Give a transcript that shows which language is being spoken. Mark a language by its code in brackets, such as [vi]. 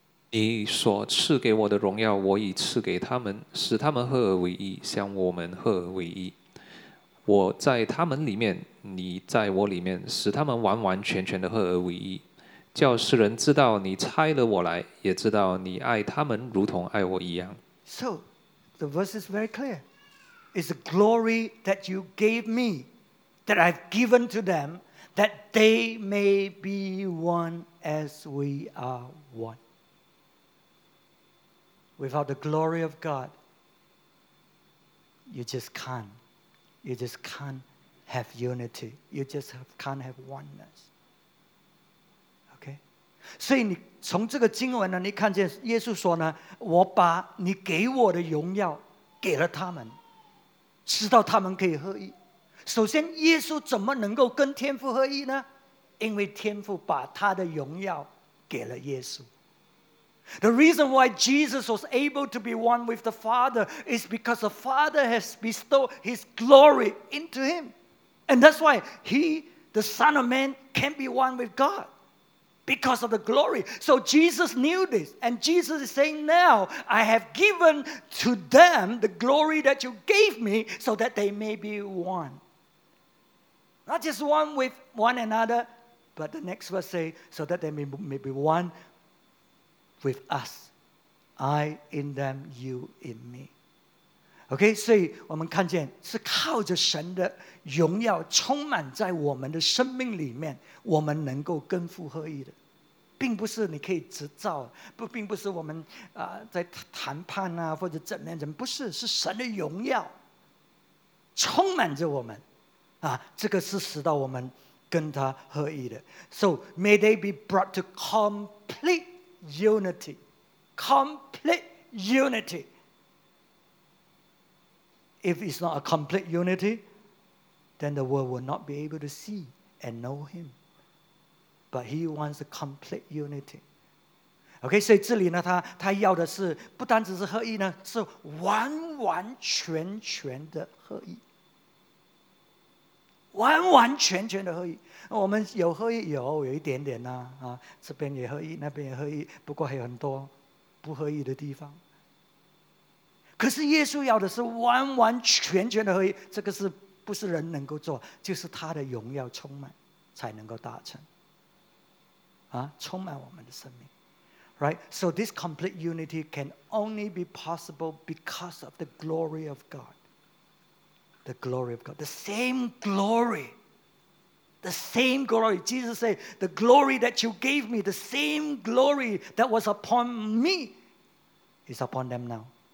[zh] 你所赐给我的荣耀我已赐给他们，使他们合而为一，像我们合而为一。我在他们里面，你在我里面，使他们完完全全的合而为一，叫世人知道你差了我来，也知道你爱他们如同爱我一样。 [en] So the verse is very clear. It's the glory that you gave me, that I've given to them, that they may be one as we are one. Without the glory of God, you just can't. You just can't have unity. You just can't have oneness. Okay? [zh] 所以你从这个经文呢，你看见耶稣说呢，我把你给我的荣耀给了他们，使到他们可以合一。首先，耶稣怎么能够跟天父合一呢？因为天父把他的荣耀给了耶稣。 [en] The reason why Jesus was able to be one with the Father is because the Father has bestowed His glory into Him. And that's why He, the Son of Man, can be one with God. Because of the glory. So Jesus knew this. And Jesus is saying, now I have given to them the glory that you gave me so that they may be one. Not just one with one another, but the next verse says, so that they may be one. With us, I in them, you in me. [zh] Okay, 所以我们看见是靠着神的荣耀充满在我们的生命里面，我们能够跟父合一的，并不是你可以执照，并不是我们在谈判啊或者怎么样，不是，是神的荣耀充满着我们啊，这个是使到我们跟他合一的。 [en] So may they be brought to complete. Unity, complete unity. If it's not a complete unity, then the world will not be able to see and know him. But he wants a complete unity. [zh] Okay, 所以这里呢，他要的是不单只是合一呢，是完完全全的合一。完完全全的合一，我们有合一，有一点点啊，这边也合一，那边也合一，不过还有很多不合一的地方。可是耶稣要的是完完全全的合一，这个是不是人能够做？就是他的荣耀充满才能够达成，啊，充满我们的生命 ，right? [en] So this complete unity can only be possible because of the glory of God. The glory of God. The same glory. The same glory. Jesus said, the glory that you gave me, the same glory that was upon me is upon them now.